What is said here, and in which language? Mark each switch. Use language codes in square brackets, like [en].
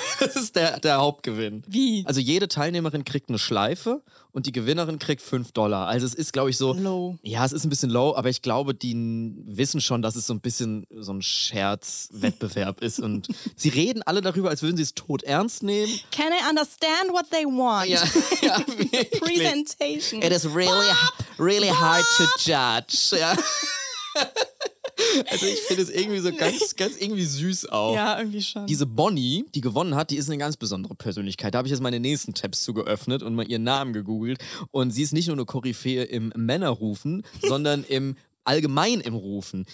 [de] Das ist der Hauptgewinn. Wie? Also jede Teilnehmerin kriegt eine Schleife und die Gewinnerin kriegt $5. Also es ist, glaube ich, so... [en] Low. [de] Ja, es ist ein bisschen low, aber ich glaube, die wissen schon, dass es so ein bisschen so ein Scherzwettbewerb ist. Und sie reden alle darüber, als würden sie es tot ernst nehmen. [en] Can I understand what they want? [de] Ja, [en] Presentation. It is really, really hard to judge. [de] Ja. Also ich finde es irgendwie so ganz, ganz irgendwie süß auch. Ja, irgendwie schon. Diese Bonnie, die gewonnen hat, die ist eine ganz besondere Persönlichkeit. Da habe ich jetzt meine nächsten Tabs zu geöffnet und mal ihren Namen gegoogelt. Und sie ist nicht nur eine Koryphäe im Männerrufen, sondern im allgemein im Rufen.